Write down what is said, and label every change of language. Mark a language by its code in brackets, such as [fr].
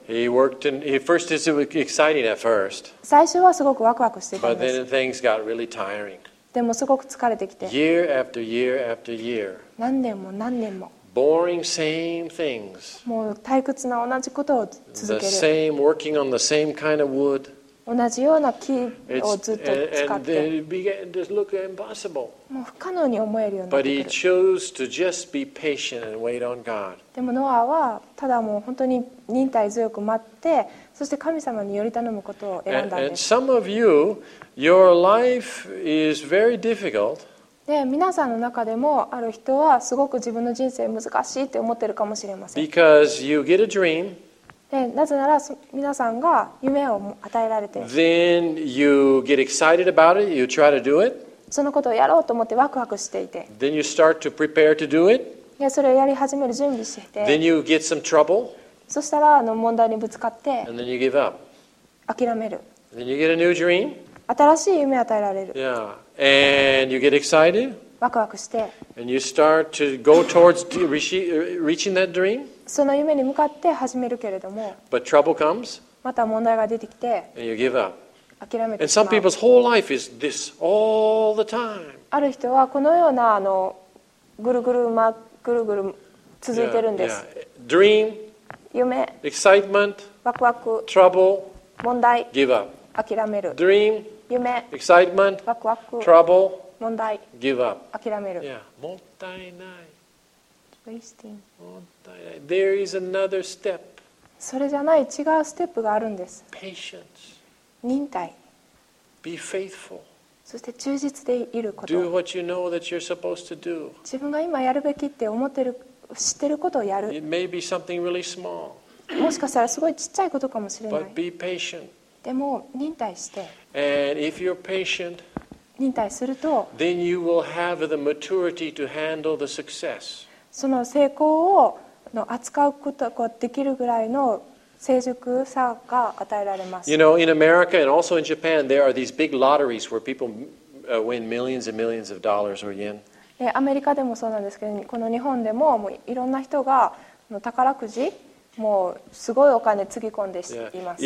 [en] He worked in, he first is exciting at first. [ja] 最初はすごくワクワクしてたんです。 [en] But then things got really tiring. [ja] でもすごく疲れてきて。 [en] Year after year after year. [ja] 何年も何年も。 [en] Boring same things. [ja] もう退屈な同じことを続ける。 [en] The same working on the same kind of wood. [ja] 同じような木をずっと使って。 [en] And it began to look impossible. [ja] もう不可能に思えるようになってくる。 [en] But he chose to just be patient and wait on God. [ja] でもノアはただもう本当に忍耐強く待って、そして神様により頼むことを選んだんです。 [en] And some of you, your life is very difficult. [ja] で皆さんの中でもある人はすごく自分の人生難しいって思ってるかもしれません。 [en] Because you get a dream, [ja] でなぜなら皆さんが夢を与えられて、 [en] then you get excited about it, you try to do it. [ja] そのことをやろうと思ってワクワクしていて、 [en] then you start to prepare to do it. [ja] でそれをやり始める準備していて、 [en] then you get some trouble. [ja] そしたら問題にぶつかって、 [en] and then you give up. [ja] 諦める。 [en] Then you get a new dream. [ja] 新しい夢を与えられる。 [en] Yeah. And you get excited. [ja] ワクワクして。 [en] And you start to go towards reaching that dream. [ja] その夢に向かって始めるけれども。 [en] But trouble comes. [ja] また問題が出てきて。 [en] And you give up. [ja] 諦めてしまう。 [en] And some people's whole life is this all the time. [ja] ある人はこのようなぐるぐる、ぐるぐる続いてるんです。 [en] Dream. [ja] 夢。 [en] Excitement. [ja] ワクワク。 [en] Trouble. [ja] 問題。 [en] Give up. [ja] 諦める。 [en] Dream, [ja] 夢、 [en] excitement, [ja] ワクワク、 [en] trouble, [ja] 問題、 [en] give up, [ja] 諦める。 Yeah, もったいない。 [en] Wasting. [ja] もったいない。 [en] There is another step. [ja] それじゃない違うステップがあるんです。 [en] Patience. [ja] 忍耐。 [en] Be faithful. [ja] そして忠実でいること。 [en] Do what you know that you're supposed to do. [ja] 自分が今やるべきって思ってる、知ってることをやる。 [en] It may be something really small. [ja] もしかしたらすごいちっちゃいことかもしれない。 [en] But be patient. [ja] でも忍耐して、 [en] And if you're patient, [ja] 忍耐すると、 [en] then you will have the maturity to handle the success. [ja] その成功を扱うことができるぐらいの成熟さが与えられます。 [en] You know, in America and also in Japan, there are these big lotteries where people win millions and millions of dollars or yen. [ja] アメリカでもそうなんですけど、この日本でも、もういろんな人が宝くじもうすごいお金つぎ込んでいます。